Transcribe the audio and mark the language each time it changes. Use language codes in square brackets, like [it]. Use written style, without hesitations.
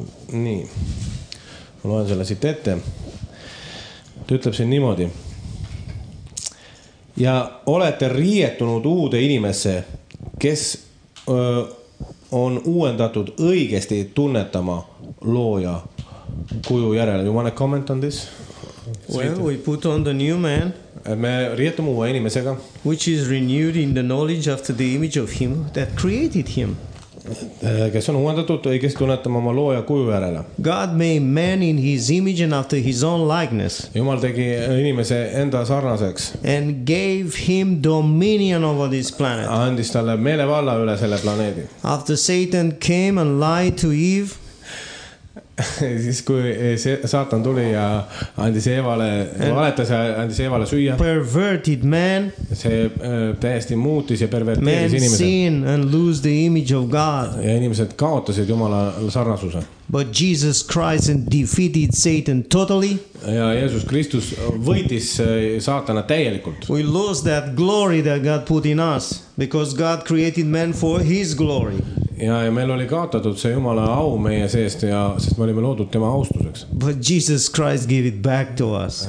[et] Nii, ma loen selle siit ette. Ta ütleb siin niimoodi. Ja olete riietunud uude inimese, kes on uuendatud õigesti tunnetama looja kuju järele. [en] You want a comment on this? Well, we put on the new man. [et] Me riietume uue inimesega. [en] Which is renewed in the knowledge after the image of him that created him. [et] Kes on uuendatud õigesti tunnetama oma looja kuju järele. [en] God made man in his image and after his own likeness. [et] Jumal tegi inimese enda sarnaseks. [en] And gave him dominion over this planet. [et] Andis talle meelevalla üle selle planeedi. [en] After Satan came and lied to Eve. [et] Siis kui Saatan tuli ja andis Eevale valetas ja andis Eevale süüa. [en] Perverted man. [et] See täiesti muutis ja perverteeris inimesed. [en] Man sin and lose the image of God. [et] Ja inimesed kaotasid Jumala sarnasuse. [en] But Jesus Christ defeated Satan totally. [et] Ja Jeesus Kristus võitis Saatana täielikult. [en] We lost that glory that God put in us because God created man for his glory. [et] Ja meil oli kaotatud see Jumala au meie seest ja sest me olime loodud tema austuseks. [en] But Jesus Christ gave it back to us.